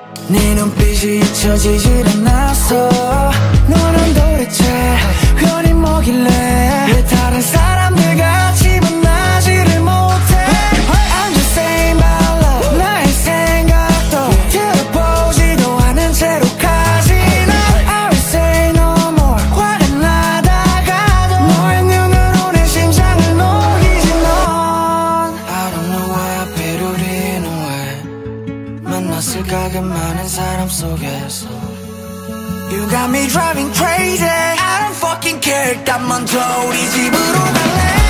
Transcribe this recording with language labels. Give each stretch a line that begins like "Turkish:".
Korean: 네 눈빛이 잊혀지질 않았어. 너는 도대체 괜히 뭐길래 왜 다른 사람들 같이 만나지를 못해.
English: Hey. I'm just saying my love.
Korean: 나의 생각도 들어보지도 않은 채로 가지나.
English: Hey. I will say no more.
Korean: 화가 나다가도 너의 눈으로 내 심장을 녹이지 넌.
English: I don't know why I bet it in a way.
Korean: 만났을까 그 많은 사람 속에서.
English: You got me driving crazy. I don't fucking care.
Korean: 딱 먼저 우리 집으로 갈래.